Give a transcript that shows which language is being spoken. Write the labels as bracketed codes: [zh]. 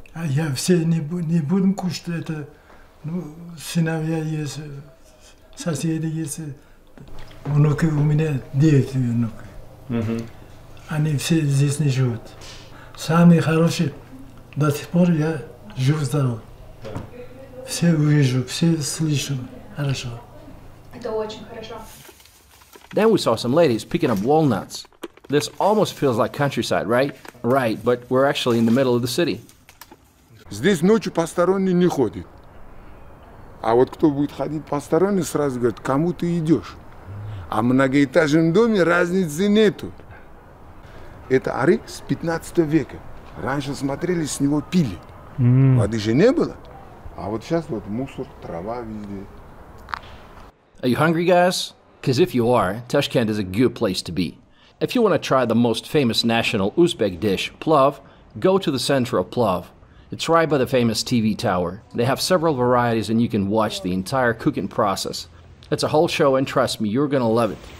[ru] А я все не будем кушать, это, ну, сыновья есть, соседи есть, внуки у меня, 9 внуков. Mm-hmm. Они все здесь не живут. Самые хорошие, до сих пор я жив-здоров. Yeah. Все увижу, все слышу, хорошо. Это очень хорошо. [en] Then we saw some ladies picking up walnuts. This almost feels like countryside, right? Right, but we're actually in the middle of the city. [ru] Здесь ночью посторонний не ходит. А вот кто будет ходить посторонний, сразу говорит, кому ты идешь. А в многоэтажном доме разницы нету. Это арык с 15 века. Раньше смотрели, с него пили. Mm. Воды же не было. А вот сейчас вот мусор, трава везде. [en] Are you hungry, guys? Because if you are, Tashkent is a good place to be. If you want to try the most famous national Uzbek dish, plov, go to the center of Plov. It's right by the famous TV tower. They have several varieties and you can watch the entire cooking process. It's a whole show and trust me, you're gonna love it.